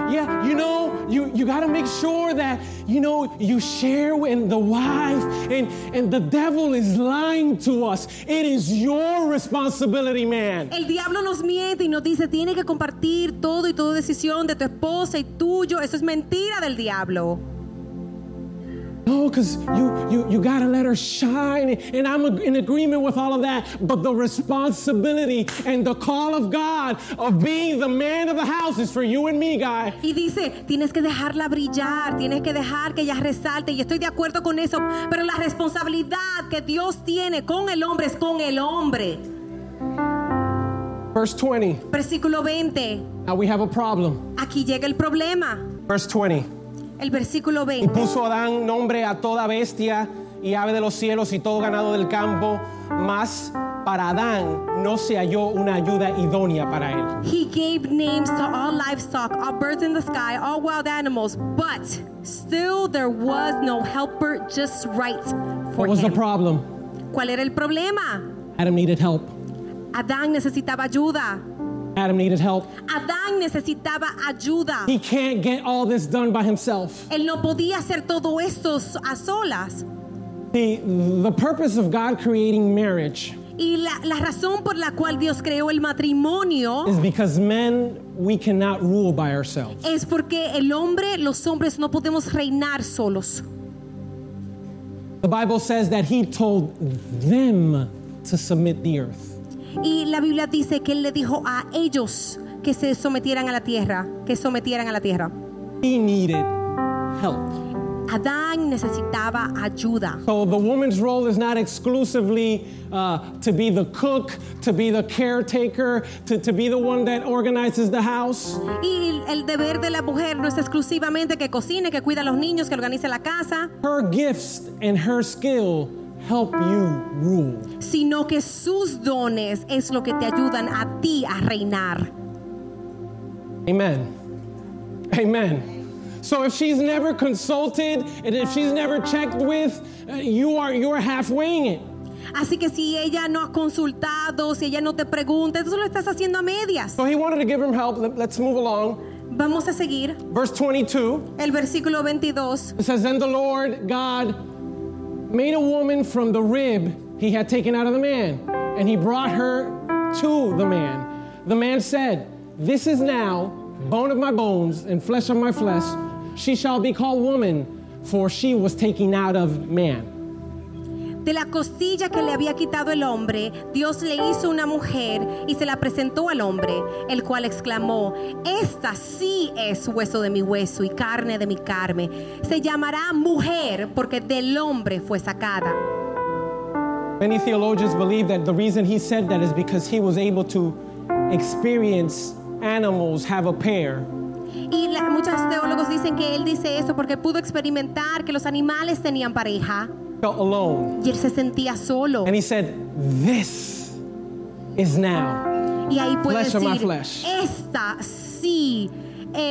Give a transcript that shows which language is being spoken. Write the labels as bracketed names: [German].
[English] Yeah, you know, you got to make sure that, you know, you share with the wife, and the devil is lying to us. It is your responsibility, man. [Spanish] El diablo nos miente y nos dice, tiene que compartir todo y toda decisión de tu esposa y tuyo. Eso es mentira del diablo. [English] No, because you gotta let her shine, and I'm in agreement with all of that. But the responsibility and the call of God of being the man of the house is for you and me, guy. [Spanish] Y dice, tienes que dejarla brillar, tienes que dejar que ella resalte. Y estoy de acuerdo con eso. Pero la responsabilidad que Dios tiene con el hombre es con el hombre. [English] Verse 20. [Spanish] Versículo 20. [English] Now we have a problem. [Spanish] Aquí llega el problema. [English] Verse 20. [Spanish] El versículo 20. Y puso Adán nombre a toda bestia y ave de los cielos y todo ganado del campo, mas para Adán no se halló una ayuda idónea para él. [English] He gave names to all livestock, all birds in the sky, all wild animals, but still there was no helper just right for him. What was the problem? [Spanish] ¿Cuál era el problema? [English] Adam needed help. [Spanish] Adán necesitaba ayuda. [English] Adam needed help. [Spanish] Adán necesitaba ayuda. [English] He can't get all this done by himself. [Spanish] Él no podía hacer todo esto a solas. [English] The purpose of God creating marriage. [Spanish] Y la razón por la cual Dios creó el matrimonio. [English] Is because men, we cannot rule by ourselves. [Spanish] Es porque el hombre, los hombres no podemos reinar solos. [English] The Bible says that he told them to submit the earth. [Spanish] Y la Biblia dice que él le dijo a ellos que se sometieran a la tierra, que sometieran a la tierra. [English] He needed help. [Spanish] Adán necesitaba ayuda. [English] So the woman's role is not exclusively to be the cook, to be the caretaker, to be the one that organizes the house. [Spanish] Y el deber de la mujer no es exclusivamente que cocine, que cuida a los niños, que organice la casa. [English] Her gifts and her skill help you rule. [Spanish] Sino que sus dones es lo que te ayudan a ti a reinar. [English] Amen. Amen. So if she's never consulted and if she's never checked with, you're halfwaying it. [Spanish] Así que si ella no ha consultado, si ella no te pregunta, tú solo estás haciendo a medias. [English] So he wanted to give him help. Let's move along. [Spanish] Vamos a seguir. [English] Verse 22. [Spanish] El versículo 22. [English] It says, "Then the Lord God made a woman from the rib he had taken out of the man, and he brought her to the man. The man said, 'This is now bone of my bones and flesh of my flesh. She shall be called woman, for she was taken out of man.'" [Spanish] De la costilla que le había quitado el hombre, Dios le hizo una mujer y se la presentó al hombre, el cual exclamó: "Esta sí es hueso de mi hueso y carne de mi carne. Se llamará mujer porque del hombre fue sacada." [English] Many theologians believe that the reason he said that is because he was able to experience animals have a pair. [Spanish] Y muchos teólogos dicen que él dice eso porque pudo experimentar que los animales tenían pareja. [English] Felt alone. [Spanish] Y él se sentía solo. [English] And he said, "This is now." [Spanish] Y ahí puede [English] flesh [Spanish] decir, [English] of my flesh. [Spanish] Esta sí es